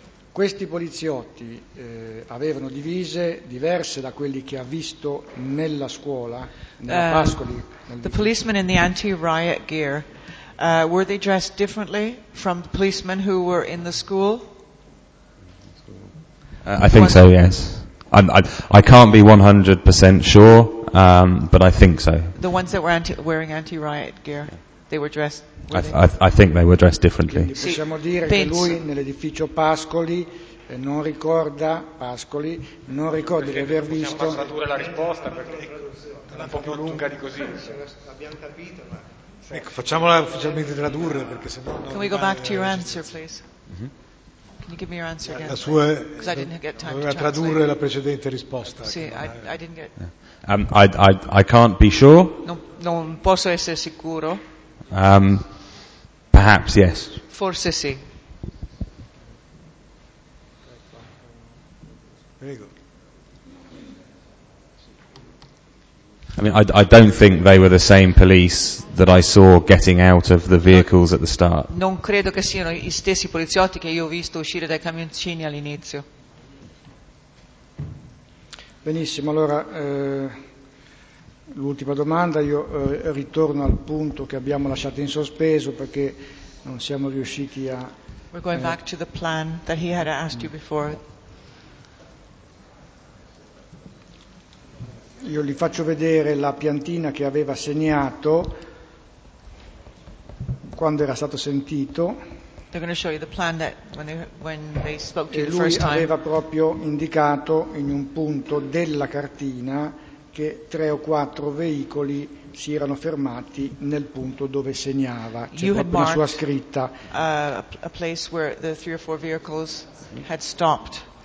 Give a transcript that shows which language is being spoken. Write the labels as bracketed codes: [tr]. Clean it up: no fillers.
[it] Questi poliziotti avevano divise diverse da quelli che ha visto nella scuola, nella Pascoli. [en] The policemen in the anti-riot gear, were they dressed differently from the policemen who were in the school? I think so, yes. I can't be 100% sure, but I think so. The ones that were wearing anti-riot gear, they were dressed. I think they were dressed differently. [it] Quindi possiamo dire che lui nell'edificio Pascoli non ricorda Pascoli, non ricorda di aver visto. Possiamo passare la risposta perché è un po' più lunga di così. Abbiamo capito, ma ecco, facciamola ufficialmente tradurre perché se no. [en] Can we go back to your answer, please? Can you give me your answer again? [it] La sua. [en] Because I didn't get time to translate. [it] Tradurre la precedente risposta. [en] Sì, I didn't get. I can't be sure. [it] Non posso essere sicuro. [en] Perhaps yes. [it] Forse sì. [en] I mean, I don't think they were the same police that I saw getting out of the vehicles at the start. [it] Non credo che siano gli stessi poliziotti che io ho visto uscire dai camioncini all'inizio. Benissimo, allora. L'ultima domanda, io ritorno al punto che abbiamo lasciato in sospeso perché non siamo riusciti a. [en] We're going back to the plan that he had asked you before. [it] Io gli faccio vedere la piantina che aveva segnato quando era stato sentito. [en] They're going to show you the plan that when they spoke to [it] e [en] you the first time. [it] Lui aveva proprio indicato in un punto della cartina che tre o quattro veicoli si erano fermati nel punto dove segnava. C'è [en] you [it] proprio la sua scritta. [en] A place where the three or four vehicles had stopped.